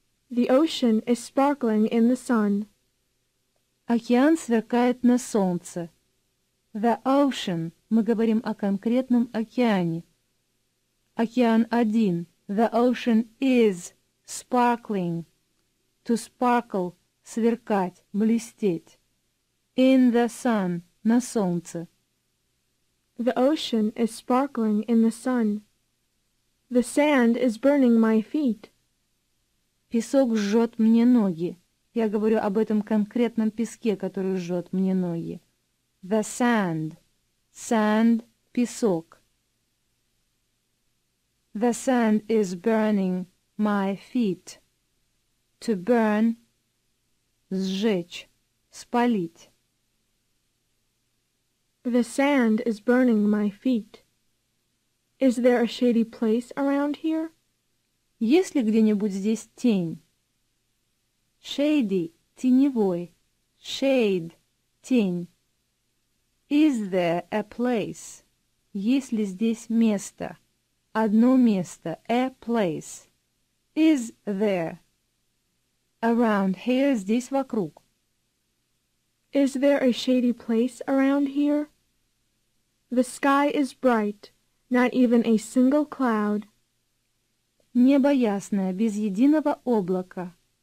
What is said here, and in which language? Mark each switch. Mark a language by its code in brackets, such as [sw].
[en] The ocean is sparkling in the sun. [ru] Океан сверкает на солнце. [en] The ocean. [ru] Мы говорим о конкретном океане. Океан один. [en] The ocean is sparkling. To sparkle. [ru] Сверкать, блестеть. [en] In the sun. [ru] На солнце. [en] The ocean is sparkling in the sun. The sand is burning my feet. [ru] Песок жжет мне ноги. Я говорю об этом конкретном песке, который жжет мне ноги. [en] The sand. [ru] Sand – песок. [en] The sand is burning my feet. To burn [ru] – сжечь, спалить. [en] The sand is burning my feet. Is there a shady place around here? [ru] Есть ли где-нибудь здесь тень? Shady – теневой. Shade – тень. [en] Is there a place? [ru] Есть ли здесь место? Одно место. [en] A place. Is there? Around here [ru] – здесь вокруг. [en] Is there a shady place around here? The sky is bright, not even a single cloud. [ru] Небо ясное, без единого облака.